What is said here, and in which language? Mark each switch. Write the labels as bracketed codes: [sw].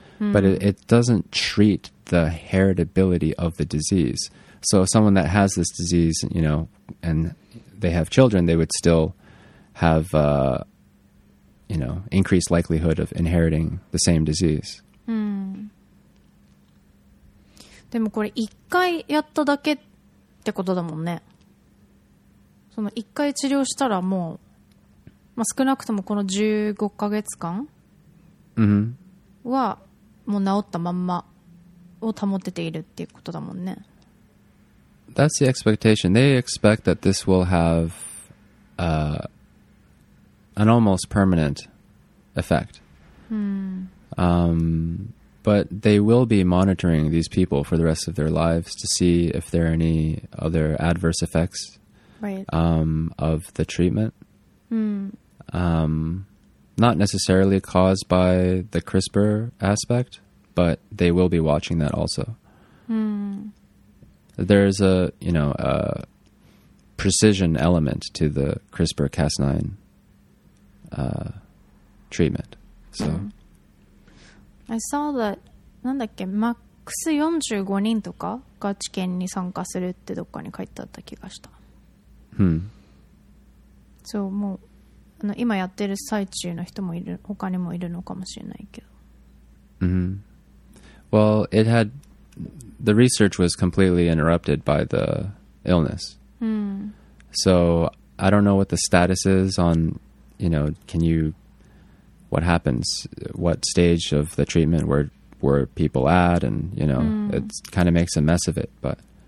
[en] But it doesn't treat the heritability of the disease. So someone that has this disease, you know, and they have children, they would still have, you know, increased likelihood of inheriting the same disease. [ja] でもこれ一回やっただけってことだもんね。その一回治療したらもう、まあ、少なくともこの15ヶ月間は、もう治ったまんまを保てているっていうことだもんね。 [en] That's the expectation. They expect that this will have an almost permanent effect. But they will be monitoring these people for the rest of their lives to see if there are any other adverse effects of the treatment. Not necessarily caused by the CRISPR aspect, but they will be watching that also. There's a, you know, a precision element to the CRISPR-Cas9 treatment. So I saw that, max [ja] 45 人とかが治験に参加するってどっかに書いてあった気がした。 So, もう、あの、今やってる最中の人もいる、他にもいるのかもしれないけど。 [en] Well, it had, the research was completely interrupted by the illness. So I don't know what the status is on, you know, can you, what happens, what stage of the treatment were people at, and, you know, it kind of makes a mess of it, but.